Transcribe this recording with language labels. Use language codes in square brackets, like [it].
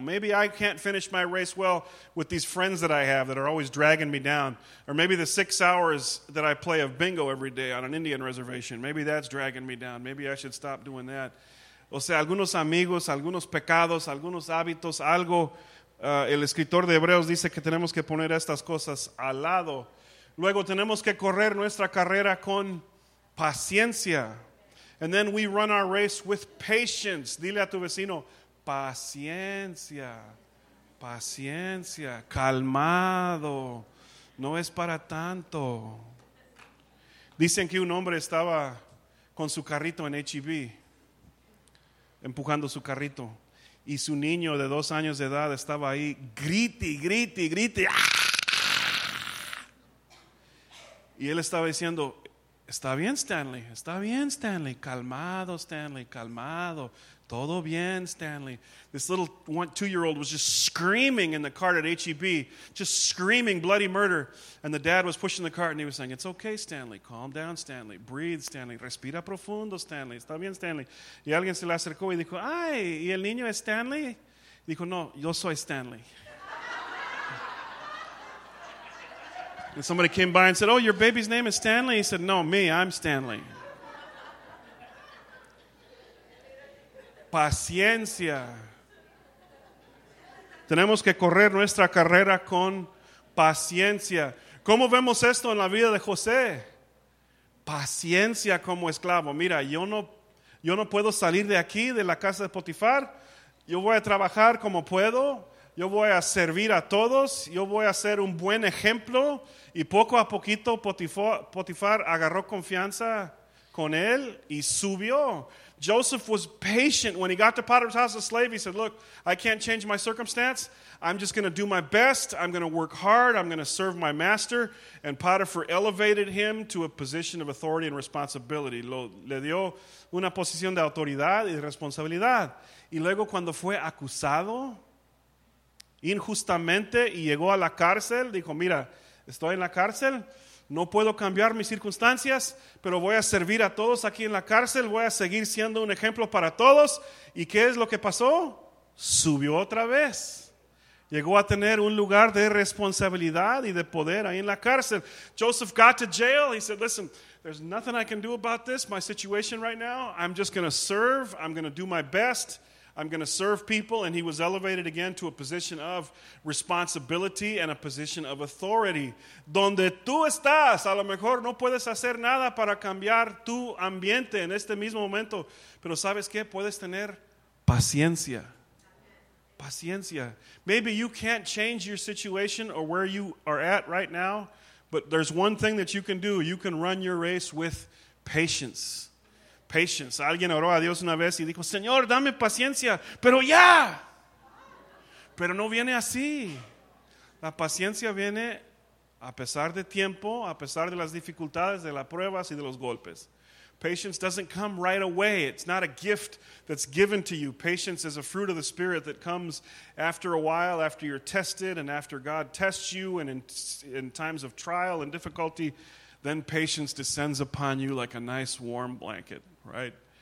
[en] Maybe I can't finish my race well with these friends that I have that are always dragging me down. Or maybe the 6 hours that I play of bingo every day on an Indian reservation. Maybe that's dragging me down. Maybe I should stop doing that. [es] O sea, algunos amigos, algunos pecados, algunos hábitos, algo. El escritor de Hebreos dice que tenemos que poner estas cosas al lado. Luego tenemos que correr nuestra carrera con paciencia. [en] And then we run our race with patience. [es] Dile a tu vecino, paciencia, paciencia, calmado, no es para tanto. Dicen que un hombre estaba con su carrito en HEB, empujando su carrito, y su niño de 2 años de edad estaba ahí, grite, grite, grite. Y él estaba diciendo, está bien Stanley, calmado Stanley, calmado, todo bien Stanley. [en] This little 2-year-old was just screaming in the cart at HEB, just screaming bloody murder. And the dad was pushing the cart and he was saying, it's okay Stanley, calm down Stanley, breathe Stanley, [es] respira profundo Stanley, está bien Stanley. Y alguien se le acercó y dijo, ay, ¿y el niño es Stanley? Dijo, no, yo soy Stanley. [en] And somebody came by and said, oh, your baby's name is Stanley? He said, no, me, I'm Stanley. [es] Paciencia. Tenemos que correr nuestra carrera con paciencia. ¿Cómo vemos esto en la vida de José? Paciencia como esclavo. Mira, yo no puedo salir de aquí, de la casa de Potifar. Yo voy a trabajar como puedo. Yo voy a servir a todos, yo voy a ser un buen ejemplo. Y poco a poquito Potifar agarró confianza con él y subió. [en] Joseph was patient. When he got to Potiphar's house as a slave, he said, look, I can't change my circumstance. I'm just going to do my best. I'm going to work hard. I'm going to serve my master. And Potiphar elevated him to a position of authority and responsibility. [es] Le dio una posición de autoridad y responsabilidad. Y luego cuando fue acusado injustamente y llegó a la cárcel, dijo, mira, estoy en la cárcel, No puedo cambiar mis circunstancias, pero voy a servir a todos aquí en la cárcel. Voy a seguir siendo un ejemplo para todos. ¿Y qué es lo que pasó? Subió otra vez. Llegó a tener un lugar de responsabilidad y de poder ahí en la cárcel. [en] Joseph got to jail. He said, listen, there's nothing I can do about this, my situation right now. I'm just going to serve. I'm going to do my best. I'm going to serve people. And he was elevated again to a position of responsibility and a position of authority. [es] Donde tú estás, a lo mejor no puedes hacer nada para cambiar tu ambiente en este mismo momento. Pero ¿sabes qué? Puedes tener paciencia. Paciencia. [en] Maybe you can't change your situation or where you are at right now, but there's one thing that you can do. You can run your race with patience. Patience. [es] Alguien oró a Dios una vez y dijo, Señor, dame paciencia, pero ya. Pero no viene así. La paciencia viene a pesar de tiempo, a pesar de las dificultades, de las pruebas y de los golpes. [en] Patience doesn't come right away. It's not a gift that's given to you. Patience is a fruit of the Spirit that comes after a while, after you're tested and after God tests you and in times of trial and difficulty, then patience descends upon you like a nice warm blanket, right?